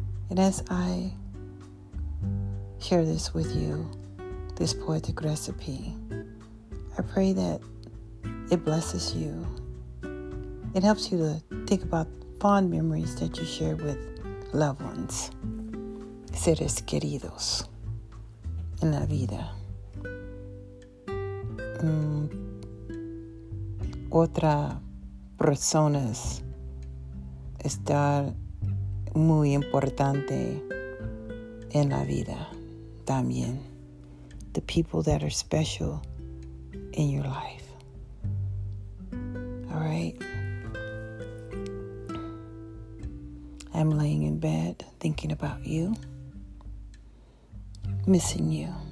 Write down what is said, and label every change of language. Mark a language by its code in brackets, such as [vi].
[en] And as I share this with you, this poetic recipe, I pray that it blesses you. It helps you to think about fond memories that you share with loved ones, [es] seres queridos, en la vida. Otra persona está muy importante en la vida también. [en] The people that are special in your life. All right. I'm laying in bed thinking about you, missing you.